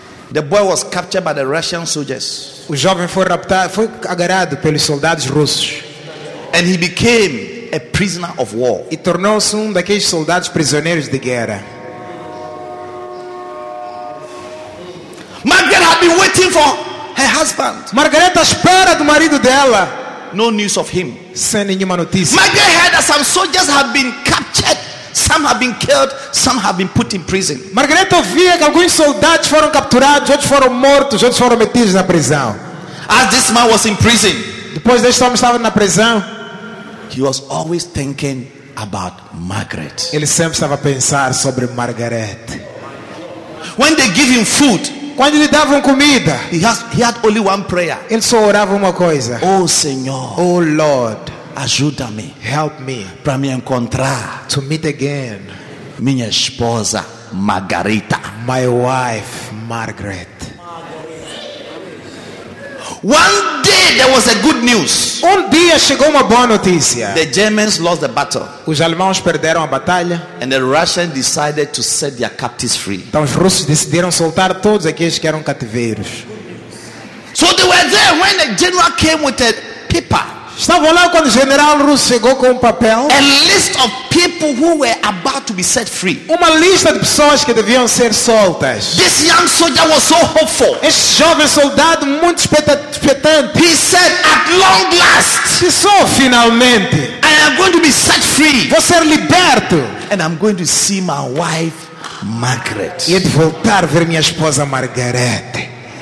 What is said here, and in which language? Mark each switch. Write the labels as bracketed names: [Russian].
[English] the boy was captured by the Russian soldiers. [Portuguese] O jovem foi raptado, foi agarrado pelos soldados russos. [English] And he became a prisoner of war. [Portuguese] E tornou-se daqueles soldados prisioneiros de guerra. [English] Margaret had been waiting for her husband. [Portuguese] Margaret espera do marido dela. [English] No news of him. [Portuguese] Sem nenhuma notícia. [English] Margaret heard that some soldiers have been captured. Some have been killed, some have been put in prison. [Portuguese] Margareta ouvia que alguns soldados foram capturados, outros foram mortos, outros foram metidos na prisão. [English] As this man was in prison, [Portuguese] depois deste homem estava na prisão, [English] he was always thinking about Margaret. [Portuguese] Ele sempre estava a pensar sobre Margaret. [English] When they give him food, [Portuguese] quando lhe davam comida, [English] he had only one prayer. [Portuguese] Ele só orava uma coisa. Oh Senhor. [English] Oh Lord. [Portuguese] Ajuda-me, [English] help me, [Portuguese] para me encontrar, [English] to meet again, [Portuguese] minha esposa Margarita, [English] my wife Margaret. One day there was a good news. [Portuguese] Um dia chegou uma boa notícia. [English] The Germans lost the battle. [Portuguese] Os alemães perderam a batalha. [English] And the Russians decided to set their captives free. [Portuguese] Então os russos decidiram soltar todos aqueles que eram cativeiros. [English] So they were there when the general came with a paper. [Portuguese] Estava lá quando o general russo chegou com um papel. [English] A list of people who were about to be set free. [Portuguese] Uma lista de pessoas que deviam ser soltas. [English] This young soldier was so hopeful. [Portuguese] Esse jovem soldado muito expectante. [English] He said, "At long last." [Portuguese] Disse, finalmente. [English] I am going to be set free. [Portuguese] Vou ser liberto. [English] And I'm going to see my wife, Margaret. [Portuguese] E de voltar a ver minha esposa Margaret.